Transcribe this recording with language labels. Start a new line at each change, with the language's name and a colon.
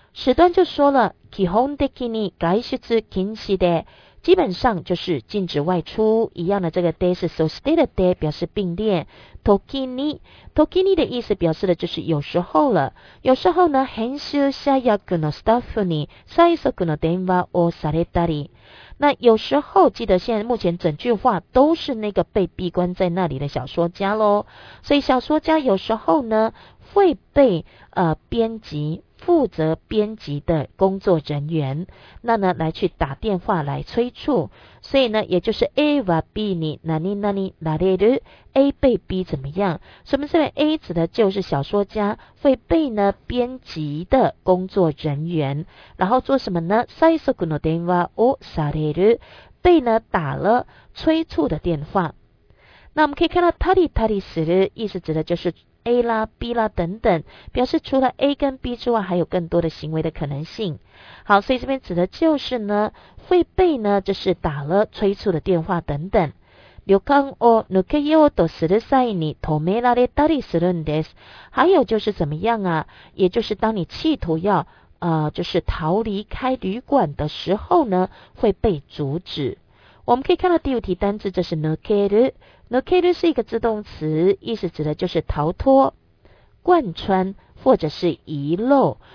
Chinese: 史端就说了，
Japanese: 基本的に外出禁止で，
Chinese: 基本上就是禁止外出一样的。这个 で 是 そして的 で 表示并列。
Japanese: 時に，時に
Chinese: 的意思表示的就是有时候了。有时候呢，
Japanese: 編集者役のスタッフに催促の電話をされたり。
Chinese: 那有时候，记得现在目前整句话都是那个被闭关在那里的小说家咯。所以小说家有时候呢，会被编辑，负责编辑的工作人员，那呢来去打电话来催促。所以呢，也就是 A 和 B 你哪里哪里哪里的 A 被 B 怎么样？什么是 A 指的？就是小说家会被呢编辑的工作人员，然后做什么呢？
Japanese: 最速の電話をされる，
Chinese: 被呢打了催促的电话。那我们可以看到タリタリする意思指的就是A 啦 B 啦等等，表示除了 A 跟 B 之外还有更多的行为的可能性。好，所以这边指的就是呢会被呢就是打了催促的电话等等。
Japanese: 旅館を抜けようとする際に止められたりするんです。
Chinese: 还有就是怎么样啊，也就是当你企图要就是逃离开旅馆的时候呢会被阻止。我们可以看到第五题单字，这是抜ける。抜ける是一个自动词，意思指的就是逃脱、贯穿或者是遗漏。